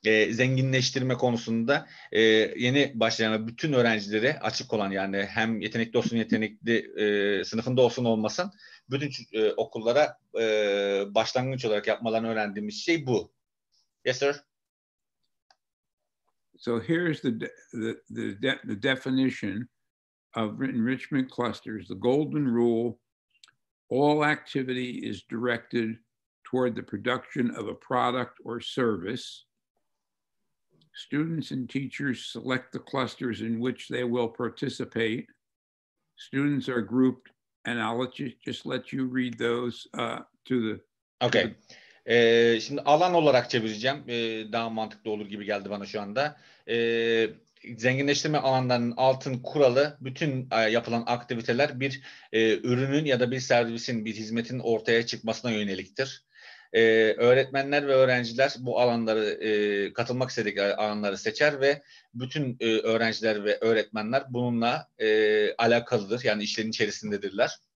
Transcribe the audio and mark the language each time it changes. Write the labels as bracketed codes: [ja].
[tr] Zenginleştirme konusunda yeni başlayan bütün öğrencileri açık olan, yani hem yetenekli olsun yetenekli sınıfında olsun olmasın, bütün okullara başlangıç olarak yapmalarını öğrendiğimiz şey bu. [en] Yes, sir. So here's the definition of enrichment clusters, the golden rule: all activity is directed toward the production of a product or service. Students and teachers select the clusters in which they will participate. Students are grouped, and I'll just let you read those to the. [tr] Okay. Şimdi alan olarak çevireceğim. Daha mantıklı olur gibi geldi bana şu anda. Zenginleştirme alanlarının altın kuralı, bütün yapılan aktiviteler bir ürünün ya da bir servisin, bir hizmetin ortaya çıkmasına yöneliktir. Öğretmenler ve öğrenciler bu alanları, katılmak istedikleri alanları seçer ve bütün öğrenciler ve öğretmenler bununla alakalıdır, yani işlerin içerisindedirler.